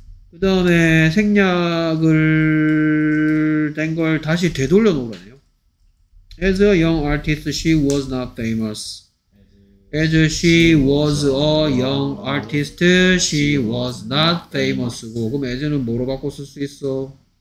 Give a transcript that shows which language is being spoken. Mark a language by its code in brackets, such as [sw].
[ko] 그 다음에 생략을 된 걸 다시 되돌려 놓으라네요. [en] As a young artist, she was not famous. As she was a young artist, she was not famous. [ko] 그럼 as는 뭐로 바꿔 쓸 수 있어?